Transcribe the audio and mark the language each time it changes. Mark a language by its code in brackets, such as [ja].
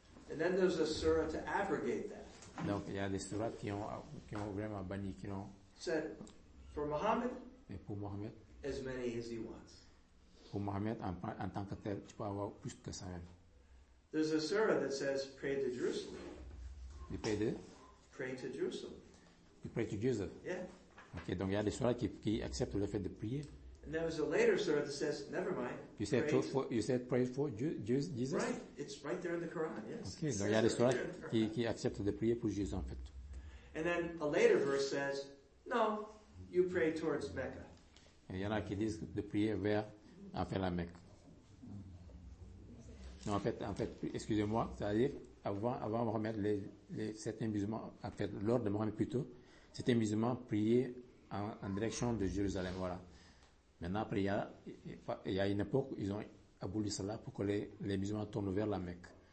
[en] And then there's a surah to abrogate that. [fr] Donc, il y a des surahs qui ont vraiment banni, qui ont [en] said, for Muhammad, [fr] et pour Mohammed, [en] as many as he wants. [fr] Pour Mohammed, en tant que tel, tu peux avoir plus que ça même. [en] There's a surah that says, pray to Jerusalem. You pray to? Pray to Jerusalem. You pray to Jesus? Yeah. [fr] Okay, donc il y a des surahs qui acceptent le fait de prier. [en] And there was a later surah that says, never mind. You said pray for Jesus? Right, it's right there in the Quran, yes. [fr] Okay, donc il y a des surahs qui acceptent de prier pour Jesus, en fait. [en] And then a later verse says, no, you pray towards Mecca. [fr] Et il y en a qui disent de prier vers, enfin, la Mecque. Non, en fait, excusez-moi, c'est-à-dire avant Mohammed, certains musulmans, en fait, lors de Mohammed plutôt, certains musulmans priaient en direction de Jérusalem, voilà. Maintenant, après, il y a une époque, ils ont aboli cela pour que les musulmans tournent vers la Mecque.